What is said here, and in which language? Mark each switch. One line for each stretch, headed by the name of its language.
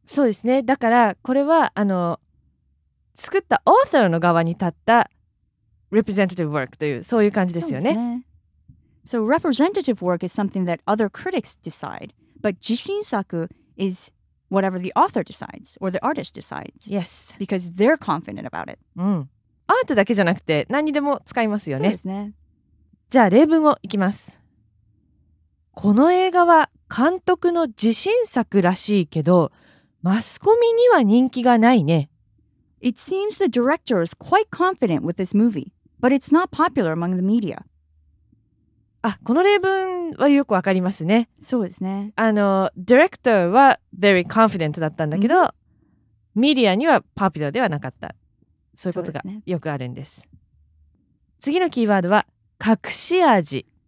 Japanese: そうですね。だからこれは作った author の側に立った
English: representative work
Japanese: というそういう感じですよね。そうですね。
English: So representative work is something that other critics decide, but 自信作 is whatever the author decides or the artist decides. Yes. Because they're confident about it.
Japanese: うん。アートだけじゃなくて何にでも使いますよね。そうですね。じゃあ例文をいきます。この映画は監督の自信作らしいけどマスコミには人気がないね。
English: It seems the director is quite confident with this movie, but it's not popular among the media.
Japanese: あ、この例文はよくわかりますね。そうですね。あの、director は
English: very confident
Japanese: だったんだけど、メディアには popular ではなかった。そういうことがよくあるんです。そうですね。次のキーワードは、隠し味。